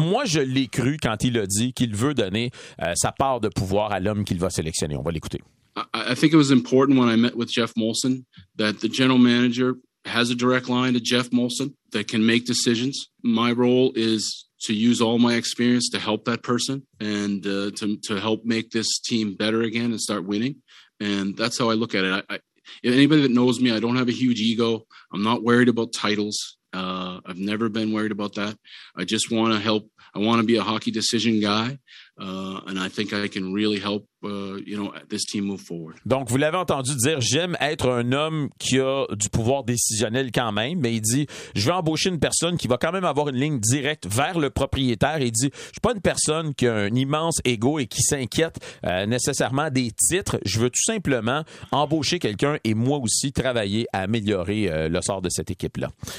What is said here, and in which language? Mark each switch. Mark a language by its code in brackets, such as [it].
[fr] Moi, je l'ai cru quand il a dit qu'il veut donner sa part de pouvoir à l'homme qu'il va sélectionner. On va l'écouter. [en] I think it was important when I met with Jeff Molson that the general manager has a direct line to Jeff Molson that can make decisions. My role is to use all my experience to help that person and to help make this team better again and start winning. And that's how I look at it. If anybody that knows me, I don't have a huge ego. I'm not worried about titles. I've never been worried about that. I just want to help. I want to be a hockey decision guy. And I think I can really help, you know, this team move forward. [fr] Donc, vous l'avez entendu dire, j'aime être un homme qui a du pouvoir décisionnel quand même, mais il dit, je vais embaucher une personne qui va quand même avoir une ligne directe vers le propriétaire. Il dit, je ne suis pas une personne qui a un immense ego et qui s'inquiète nécessairement des titres. Je veux tout simplement embaucher quelqu'un et moi aussi travailler à améliorer le sort de cette équipe-là.